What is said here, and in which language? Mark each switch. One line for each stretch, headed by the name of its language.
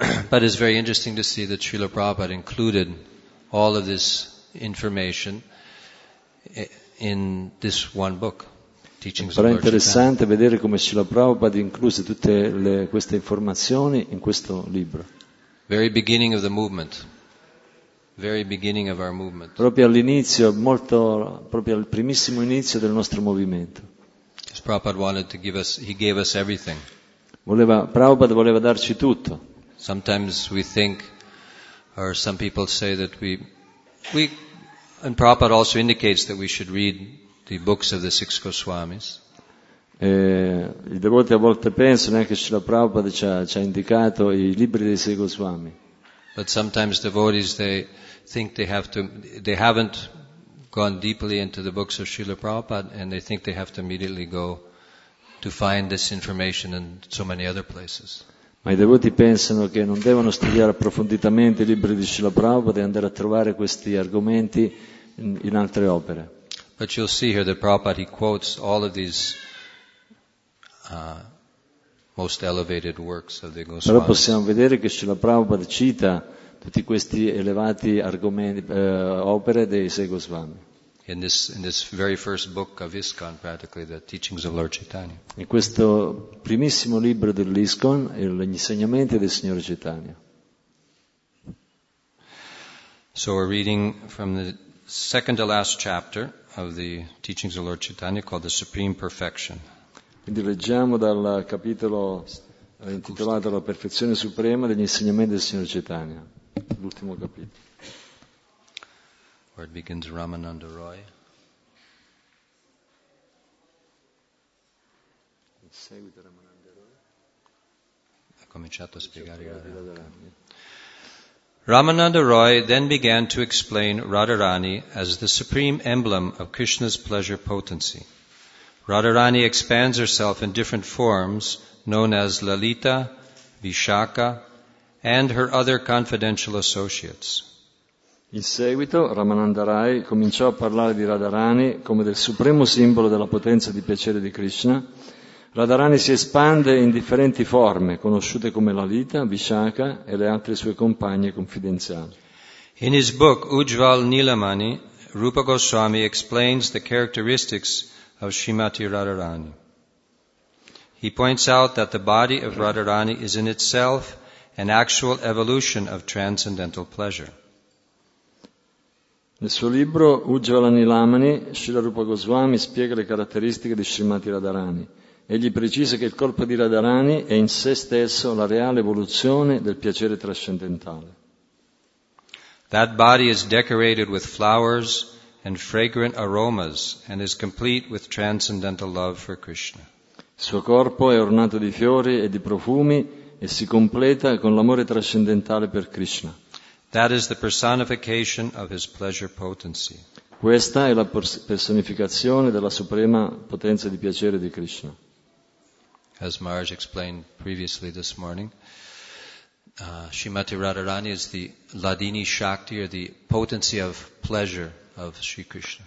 English: But it's very interesting to see that Srila Prabhupada included all of this information in this one book.
Italian: Però è interessante vedere come Srila Prabhupada incluse tutte queste informazioni in questo libro.
English: Very beginning of the movement. Very beginning of our movement.
Italian: Proprio all'inizio, proprio al primissimo inizio del nostro movimento.
English: Prabhupada wanted to give us, he gave us everything.
Italian: Prabhupada voleva darci tutto.
English: Sometimes we think, or some people say that we, and Prabhupada also indicates that we should read the books of the six Goswamis.
Italian: I devoti a volte pensano che Srila Prabhupada ci ha indicato i libri dei sei Goswami.
English: But sometimes devotees they think they haven't gone deeply into the books of Srila Prabhupada and they think they have to immediately go to find this information in so many other places.
Italian: Ma i devoti pensano che non devono studiare approfonditamente i libri di Srila Prabhupada e andare a trovare questi argomenti in altre opere.
English: But you'll see here that Prabhupada, he quotes all of these most elevated works of the Goswamis.
Italian: Però possiamo vedere che Srila Prabhupada cita tutti questi elevati argomenti, opere dei sei Goswami.
English: In this very first book of ISKCON, practically, the teachings of Lord Chaitanya.
Italian: In questo primissimo libro dell'ISKCON, gli insegnamenti del Signore Chaitanya.
English: So we're reading from the second to last chapter of the teachings of Lord Chaitanya called The Supreme Perfection.
Italian: Quindi leggiamo dal capitolo intitolato La Perfezione Suprema degli insegnamenti del Signore Chaitanya, l'ultimo capitolo.
English: Where it begins Ramananda Roy.
Italian: In seguito Ramananda Roy. Ha cominciato a spiegare Radharani.
English: Ramananda Roy then began to explain Radharani as the supreme emblem of Krishna's pleasure potency. Radharani expands herself in different forms, known as Lalita, Vishakha, and her other confidential associates.
Italian: In seguito, Ramananda Roy cominciò a parlare di Radharani come del supremo simbolo della potenza di piacere di Krishna. Radharani si espande in differenti forme, conosciute come Lalita, Vishakha e le altre sue compagne confidenziali.
English: In his book Ujjval Nilamani, Rupa Goswami explains the characteristics of Srimati Radharani. He points out that the body of Radharani is in itself an actual evolution of transcendental pleasure.
Italian: Nel suo libro Ujjvala Nilamani, Srila Rupa Goswami spiega le caratteristiche di Srimati Radharani. Egli precisa che il corpo di Radharani è in sé stesso la reale evoluzione del piacere trascendentale.
English: That body is decorated with flowers and fragrant aromas and is complete with transcendental love for Krishna.
Italian: Il suo corpo è ornato di fiori e di profumi e si completa con l'amore trascendentale per Krishna.
English: That is the personification of his pleasure potency.
Italian: Questa è la personificazione della suprema potenza di piacere di Krishna.
English: As Maharaj explained previously this morning, Srimati Radharani is the Ladini Shakti, or the potency of pleasure of Sri Krishna.